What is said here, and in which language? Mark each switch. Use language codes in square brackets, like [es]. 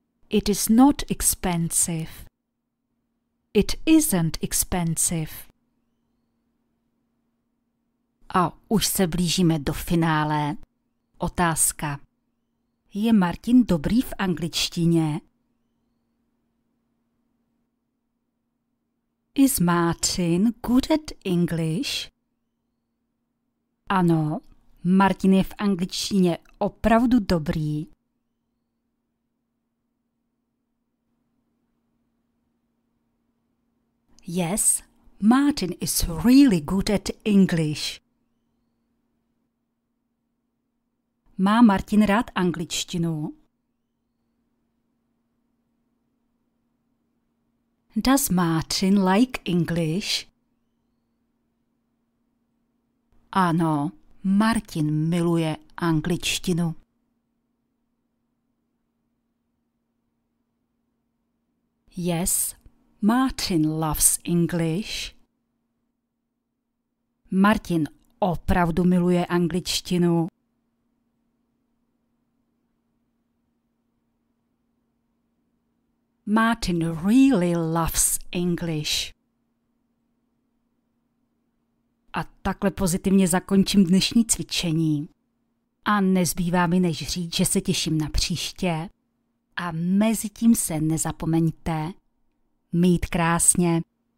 [en] It is not expensive. It isn't expensive. [cs] A už se blížíme do finále. Otázka. Je Martin dobrý v angličtině? [en] Is Martin good at English? [cs] Ano, Martin je v angličtině opravdu dobrý. [en] Yes, Martin is really good at English. [cs] Má Martin rád angličtinu? [en] Does Martin like English? [cs] Ano, Martin miluje angličtinu. [en] Yes, Martin loves English. [cs] Martin opravdu miluje angličtinu. [en] Martin really loves English. [cs] A takhle pozitivně zakončím dnešní cvičení. A nezbývá mi než říct, že se těším na příště. A mezi tím se nezapomeňte mít krásně.